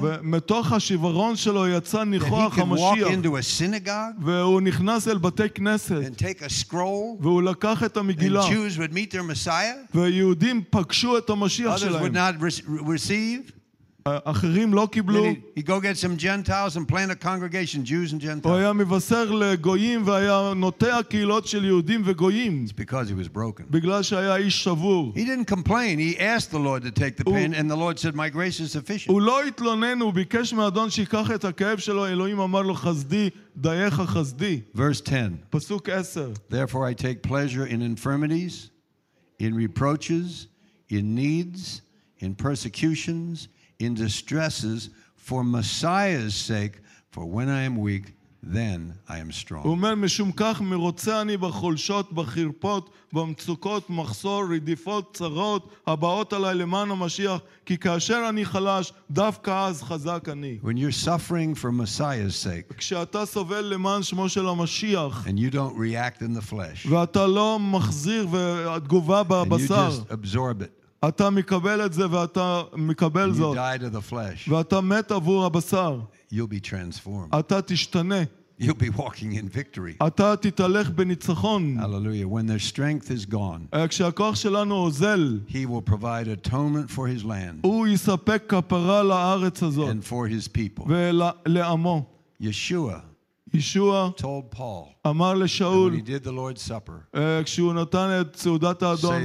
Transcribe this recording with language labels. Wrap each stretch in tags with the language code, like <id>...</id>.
<en>That he could walk into a synagogue and take a scroll, and Jews would meet their Messiah. Others would not receive.</en> <he>אחרים לא קיבלו.</he> <en>He go get some Gentiles and plant a congregation, Jews and Gentiles.</en> <he>הוא היה מבשר לגויים והיה נוטע קהילות של יהודים וגויים.</he> <en>It's because he was broken.</en> <he>בגלל שהיה איש שבור.</he> <en>He didn't complain. He asked the Lord to take the pain, and the Lord said, "My grace is sufficient."</en> <he>הוא לא התלונן, הוא ביקש מאדון שיקח את הכאב שלו. אלוהים אמר לו, "חסדי, דייך חסדי."</he> <en>Verse 10.</en> <he>פסוק 10.</he> <en>Therefore, I take pleasure in infirmities, in reproaches, in needs, in persecutions, in distresses, for Messiah's sake, for when I am weak, then I am strong.</en> <he>הוא אומר, משום כך מרוצה אני בחולשות, בחרפות, במצוקות, מחסור, רדיפות, צרות, הבאות עליי למען המשיח, כי כאשר אני חלש, דווקא אז חזק אני.</he> <en>When you're suffering for Messiah's sake,</en> <he>כשאתה סובל למען שמו של המשיח,</he> <en>and you don't react in the flesh,</en> <he>ואתה לא מחזיר והתגובה בבשר,</he> <en>and you just absorb it,</en> <he>אתה מקבל את זה ואתה מקבל זאת.</he> <en>You die to the flesh.</en> <he>ואתה מת עבור הבשר.</he> <en>You'll be transformed.</en> <he>אתה תשתנה.</he> <en>You'll be walking in victory.</en> <he>אתה תתהלך בניצחון.</he> <en>Hallelujah. When their strength is gone,</en> <he>כשהכוח שלנו עוזל,</he> <en>he will provide atonement for his land.</en> <he>הוא יספק כפרה לארץ הזאת.</he> <en>And for his people.</en> <he>ולעמו.</he> <en>Yeshua. Yeshua told Paul,</en> <he>אמר לשאול,</he> <en>when he did the Lord's Supper,</en> <he>כשהוא נתן את סעודת האדון,</he>